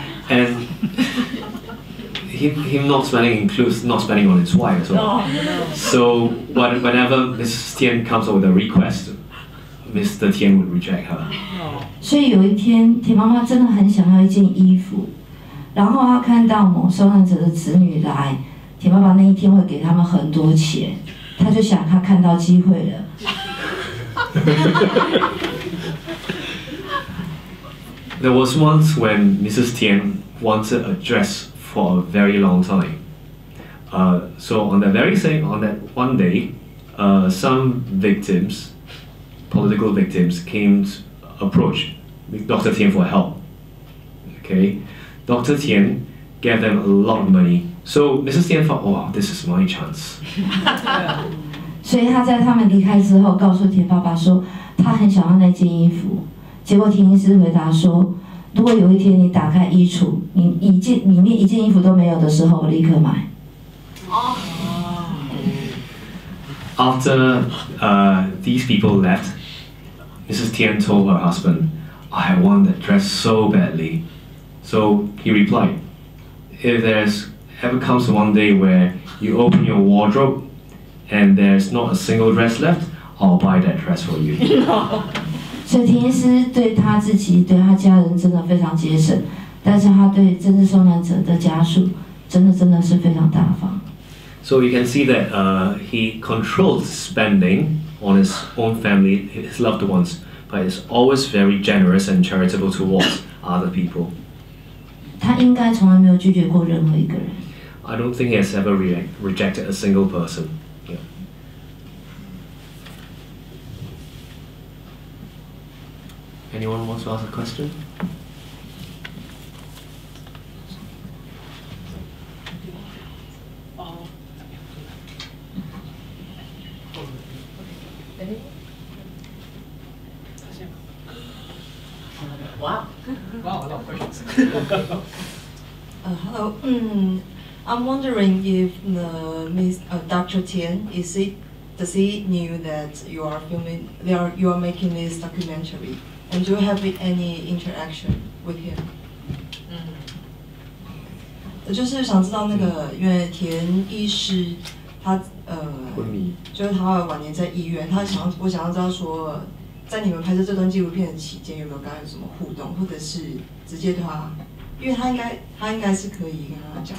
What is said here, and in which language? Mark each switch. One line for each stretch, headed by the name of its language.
English: And him not spending includes not spending on his wife as well. So, whenever Mrs. Tian comes up with a request, Mr. Tian would reject her.
Chinese: 所以有一天，田妈妈真的很想要一件衣服，然后她看到某受难者的子女来，田妈妈那一天会给他们很多钱，她就想她看到机会了。
English: There was once when Mrs. Tian wanted a dress for a very long time. So on that very same, on that one day, some victims, political victims, came to approach Dr. Tian for help. Okay, Dr. Tian gave them a lot of money. So Mrs. Tian thought, oh, wow, this is my chance.
Chinese: 所以他在他们离开之后告诉田爸爸说他很想要那件衣服，结果田医师回答说，如果有一天你打开衣橱，你一件里面一件衣服都没有的时候，我立刻买。
English: After these people left, Mrs. Tian told her husband, I want that dress so badly. So he replied, if there's ever comes one day where you open your wardrobeAnd there's not a single dress left, I'll buy that dress for you.
Chinese: 所以田医师对他自己、对他家人真的非常节省，但是他对真正受难者的家属，真的是非常大方。
English: So you can see that he controls spending on his own family, his loved ones, but is always very generous and charitable towards other people.
Chinese: 他应该从来没有拒绝过任何一个人。
English: I don't think he has ever rejected a single person. Anyone wants to ask a question? Hello. I'm wondering if Dr. Tian, does he knew that you are filming, you are making this documentary? And do you have any interaction with him?
Chinese: 就是想知道那个，因为田医师他就是他晚年在医院，我想要知道说，在你们拍摄这段纪录片的期间，有没有跟他有什么互动，或者是直接对他，因为他应该是可以跟他讲，